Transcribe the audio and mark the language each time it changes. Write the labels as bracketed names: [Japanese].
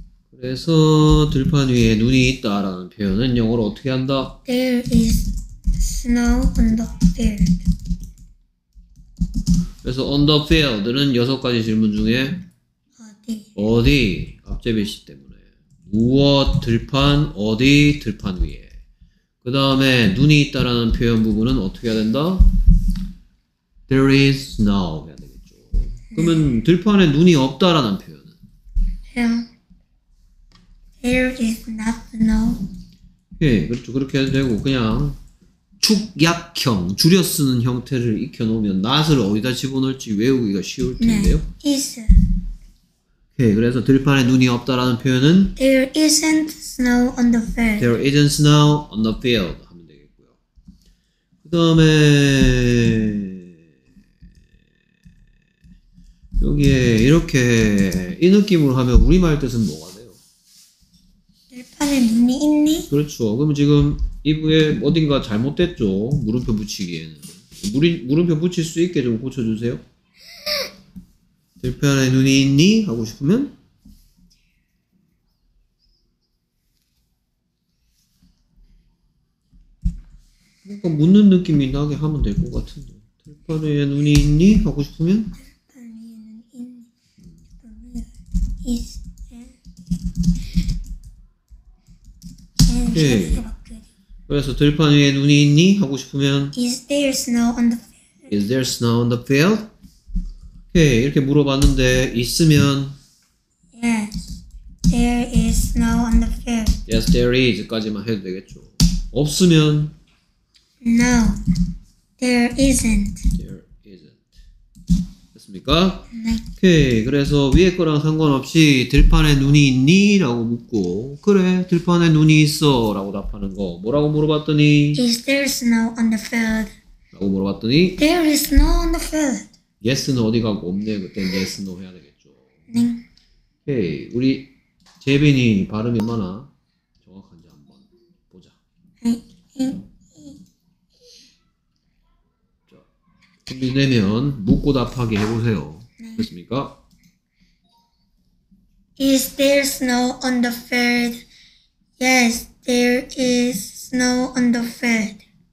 [Korean] 그래서 들판 위에 눈이 있다라는 표현은 영어로 어떻게 한다? [English] There is snow on the field. [Korean] 그래서 on the field 는 여섯 가지 질문 중에 어디? 어디? 앞제비씨 때문에 무엇? 들판? 어디? 들판 위에 그 다음에 눈이 있다라는 표현 부분은 어떻게 해야 된다? [English] There is snow 해야 되겠죠. [Korean] 그러면 들판에 눈이 없다라는 표현은? [English] Yeah. There is not snow. [Korean] 예, 그렇죠. 그렇게 해도 되고 그냥 축약형 줄여 쓰는 형태를 익혀 놓으면 not을 어디다 집어넣을지 외우기가 쉬울 텐데요. 네, is. 예, 그래서 들판에 눈이 없다라는 표현은 [English] There isn't snow on the field. There isn't snow on the field 하면 되겠고요. [Korean] 그 다음에 여기에 이렇게 이 느낌으로 하면 우리말 뜻은 뭐가 돼요? 들판에 눈이 있니? 그렇죠. 그럼 지금 이부에 어딘가 잘못됐죠? 물음표 붙이기에는. 물음표 붙일 수 있게 좀 고쳐주세요. 들판에 눈이 있니? 하고 싶으면? [English] There [Korean] 묻는 느낌이 나게 하면 될 것 같은데. 들판에 눈이 있니? 하고 싶으면? [English] Is there? [Korean] 네. 그래서 들판 위에 눈이 있니? 하고 싶으면 [English] Is there snow on the field? Is there snow on the field? [Korean] 오케이. 이렇게 물어봤는데 있으면 [English] Yes, there is snow on the field. [Korean] Yes, there is 까지만 해도 되겠죠. 없으면 [English] No, there isn't. There isn't. 됐습니까? [Korean] 네. 오케이. 그래서 위에 거랑 상관없이 들판에 눈이 있니? 라고 묻고 그래 들판에 눈이 있어 라고 답하는 거 뭐라고 물어봤더니 [English] Is there snow on the field? [Korean] 라고 물어봤더니 [English] There is snow on the field. [Korean] Yes는 어디 가고 없네. 그때 Yes, No 해야 되겠죠. 네. 오케이. 우리 재빈이 발음이 얼마나 정확한지 한번 보자. 자, 준비되면 묻고 답하게 해보세요. 그렇습니까? [English] Is there snow on the field? Yes, there is snow on the field.